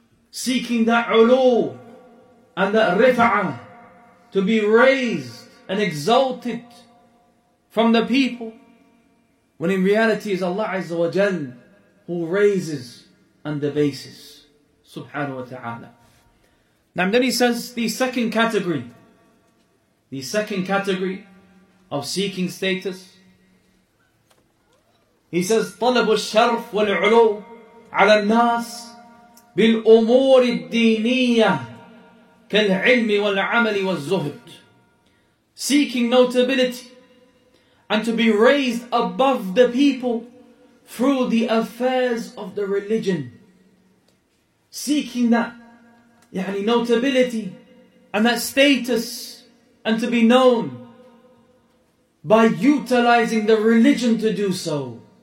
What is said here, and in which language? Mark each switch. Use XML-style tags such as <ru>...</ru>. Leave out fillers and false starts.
<en>Seeking that ulu and that rifa'a, to be raised and exalted from the people, when in reality is Allah Azza wa Jal who raises and debases. Subhanahu wa ta'ala. Now then he says the second category of seeking status.</en> <ar>He says, طلب الشرف والعلو على الناس بالأمور الدينية كالعلم والعمل والزهد.</ar> <en>Seeking notability and to be raised above the people through the affairs of the religion. Seeking that, يعني, notability and that status and to be known by utilizing the religion to do so.</en>